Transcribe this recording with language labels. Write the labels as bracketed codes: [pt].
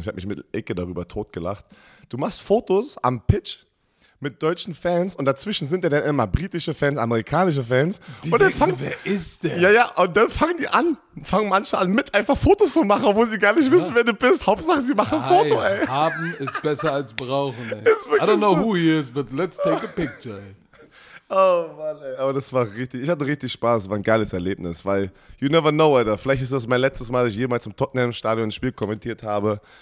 [de] Ich habe mich mit Ecke darüber totgelacht. Du machst Fotos am Pitch mit deutschen Fans und dazwischen sind ja dann immer britische Fans, amerikanische Fans. Wer ist der? Ja, ja, und dann fangen manche an, mit einfach Fotos zu machen, obwohl sie gar nicht wissen, wer du bist. Hauptsache, sie machen ein Foto, ey. Haben ist besser als brauchen, ey. Ist wirklich [en] I don't know who he is, but let's take a picture, ey. [de] Oh Mann, ey. Aber das war richtig, ich hatte richtig Spaß, war ein geiles Erlebnis, weil [en] you never know, [de] Alter. Vielleicht ist das mein letztes Mal, dass ich jemals im Tottenham-Stadion ein Spiel kommentiert habe.